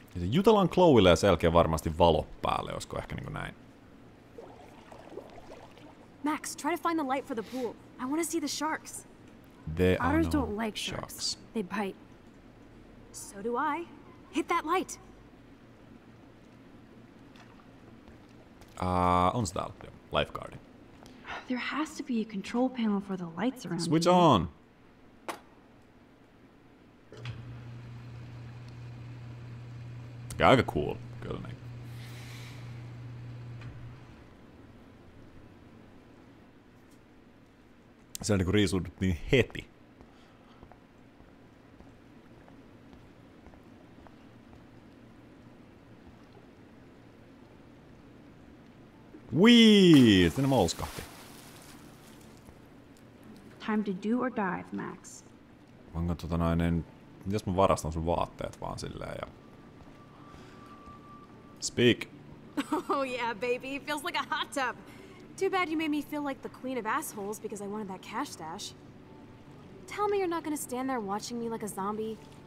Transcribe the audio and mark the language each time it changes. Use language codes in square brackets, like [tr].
[fi] Jutellaan Chloelle ja sen jälkeen varmasti valo päälle, olisiko ehkä niinku näin. [en] Max, try to find the light for the pool. I want to see the sharks. There are otters no don't like sharks. They bite. So do I. Hit that light. [fi] On se täällä, joo. [en] Lifeguard. There has to be a control panel for the lights around. Switch on. [fi] Aika cool, kyllä niin. Se on niinku riisuuduttiin heti. Wii, sinne molskahti. [en] Time to do or dive, Max. [fi] Onko tota noin, jos mä varastan sun vaatteet vaan silleen ja... [en] Speak. Oh yeah, baby, it feels like a hot tub. Too bad you made me feel like the queen of assholes because I wanted that cash stash. Tell me you're not gonna stand there watching me like a zombie.